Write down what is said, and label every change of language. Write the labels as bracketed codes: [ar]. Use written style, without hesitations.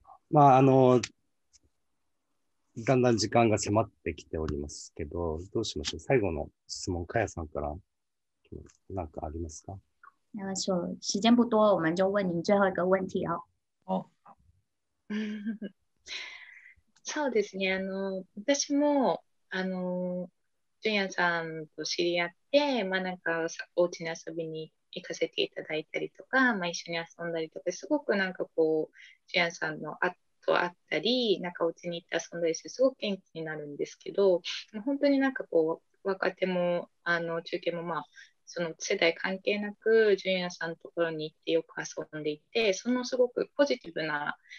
[ja] まあだんだん時間が迫ってきておりますけど、どうしましょう。最後の質問、かやさんから何かありますか。 [zh] 那么说，时间不多，我们就问您最后一个问题哦。好。 [ja] そうですね。私もジュンヤさんと知り合って、まあなんかお家に遊びに行かせていただいたりとか、まあ一緒に遊んだりとか、すごくなんかこうジュンヤさんのあったり、なんかお家に行って遊んだりしてすごく元気になるんですけど、本当になんかこう若手も中堅もまあその世代関係なくジュンヤさんのところに行ってよく遊んでいて、そのすごくポジティブな